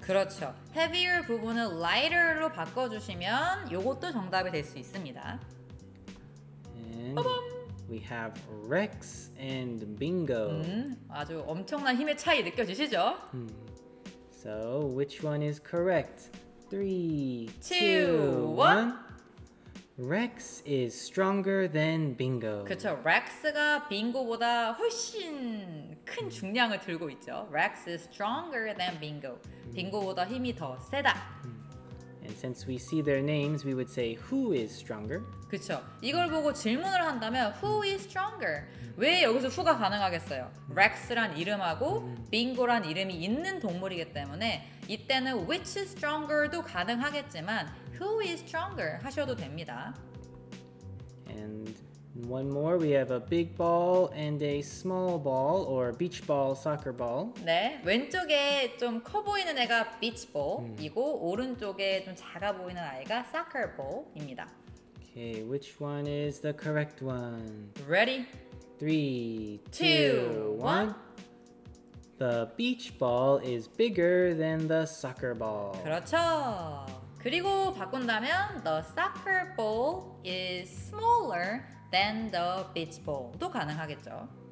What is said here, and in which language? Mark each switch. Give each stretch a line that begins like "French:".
Korean: 그렇죠. heavier 부분을 lighter로 바꿔주시면 이것도 정답이 될 수 있습니다.
English: And... 빠밤! We have Rex and Bingo.
Korean: 아주 엄청난 힘의 차이 느껴지시죠?
English: So, which one is correct? 3, 2, 1. Rex is stronger than Bingo.
Korean: 그렇죠. Rex가 Bingo보다 훨씬 큰 중량을 들고 있죠.
English: Rex is stronger than Bingo.
Korean: Bingo보다 힘이 더 세다.
English: And since we see their names, we would say who is stronger?
Korean: 그렇죠. 이걸 보고 질문을 한다면
English: who is stronger?
Korean: 왜 여기서 who가 가능하겠어요? Rex란 이름하고 Bingo란 이름이 있는 동물이기 때문에 이때는
English: which is stronger
Korean: 도 가능하겠지만
English: who is stronger
Korean: 하셔도 됩니다.
English: And one more, we have a big ball and a small ball or beach ball, soccer ball.
Korean: 네, 왼쪽에 좀 커 보이는 애가 beach ball이고 오른쪽에 좀 작아 보이는 아이가 soccer ball입니다.
English: Okay, which one is the correct one? Ready? 3, 2, 1. The beach ball is bigger than the soccer ball.
Korean: 그렇죠. 그리고 바꾼다면
English: the soccer ball is smaller than the beach ball
Korean: 도 가능하겠죠.